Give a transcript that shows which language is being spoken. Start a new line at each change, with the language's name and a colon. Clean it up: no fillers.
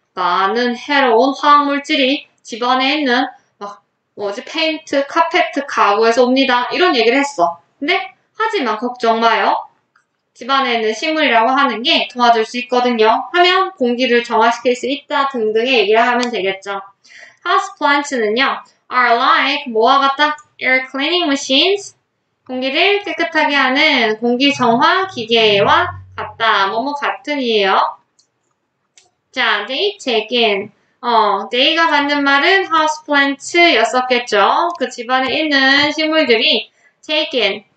Korean: 많은 해로운 화학물질이 집 안에 있는 뭐지, 페인트, 카펫, 가구에서 옵니다. 이런 얘기를 했어. 근데, 하지만 걱정 마요. 집 안에 있는 식물이라고 하는 게 도와줄 수 있거든요. 하면 공기를 정화시킬 수 있다 등등의 얘기를 하면 되겠죠.
English: House plants는요, are like
Korean: 뭐와 같다?
English: Air cleaning machines.
Korean: 공기를 깨끗하게 하는 공기 정화 기계와 같다. 뭐뭐 같은이에요. 자,
English: they take in.
Korean: they가 받는 말은 houseplants였었겠죠. 그집 안에 있는 식물들이
English: take in.